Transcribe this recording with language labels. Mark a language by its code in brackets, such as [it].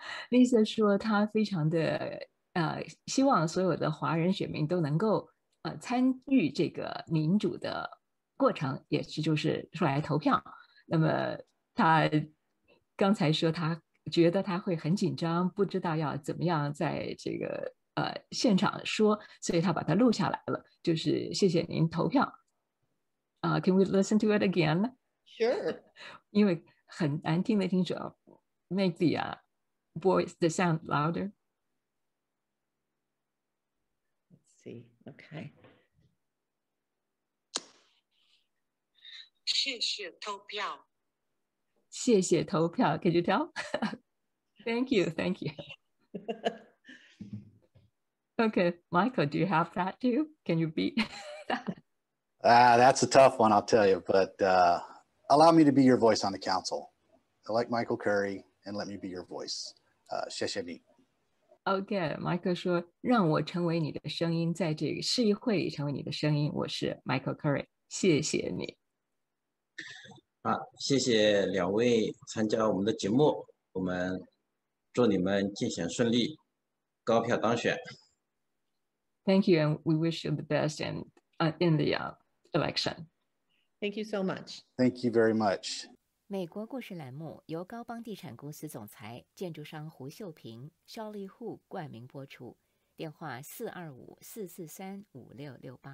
[zh] Lisa 说她非常的希望所有的华人选民都能够参与这个民主的过程，也是就是出来投票。那么她刚才说她觉得他会很紧张，不知道要怎么样在这个现场说，所以他把它录下来了，就是谢谢您投票。 [en] Can we listen to it again? Sure. [zh] 因为很难听的听众 [en] ,make the voice, the sound louder. Let's see, okay. [zh] 谢谢投票。谢谢投票, [en] can you tell? Thank you, thank you. Okay, Michael, do you have that too? Can you beat that? That's a tough one, I'll tell you, but allow me to be your voice on the council. like Michael Curry, and let me be your voice. [zh] 谢谢你。 Okay, Michael 说，让我成为你的声音，在这个市议会里成为你的声音。我是 Michael Curry， 谢谢你。好，谢谢两位参加我们的节目，我们祝你们竞选顺利，高票当选。 [en] Thank you, and we wish you the best in the election. Thank you so much. Thank you very much. [zh] 美国故事栏目由高邦地产公司总裁、建筑商胡秀平 Shirley Hu 冠名播出，电话 425-443-5668。